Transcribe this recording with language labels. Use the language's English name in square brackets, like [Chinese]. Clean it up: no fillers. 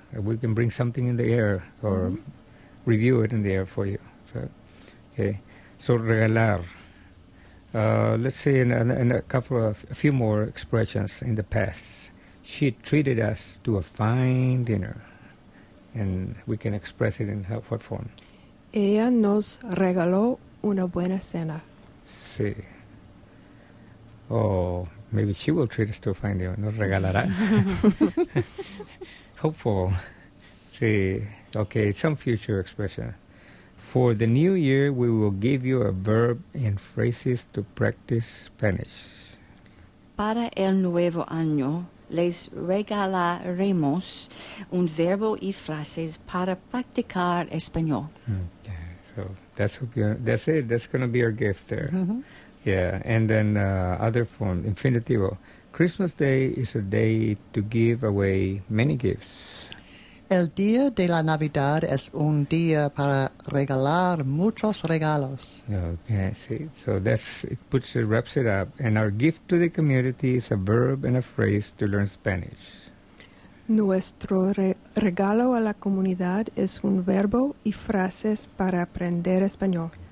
[English] We can bring something in the air or mm-hmm. review it in the air for you. So, okay. So, regalar. Let's see a few more expressions in the past. She treated us to a fine dinner. And we can express it in what form? [Spanish] Ella nos regaló una buena cena. Sí. [English] Oh, maybe she will treat us to a fine dinner. [Spanish] Nos regalará. [English] Hopeful. Sí. Okay, some future expression. For the new year, we will give you a verb and phrases to practice Spanish. [Spanish] Para el nuevo año, les regalaremos un verbo y frases para practicar español. [English] Okay, so that's it. That's going to be our gift there. Mm-hmm. Yeah, and then other form, infinitivo. Christmas Day is a day to give away many gifts. [Spanish] El día de la Navidad es un día para regalar muchos regalos. [English] Okay, see, so wraps it up. And our gift to the community is a verb and a phrase to learn Spanish. [Spanish] Nuestro regalo a la comunidad es un verbo y frases para aprender español.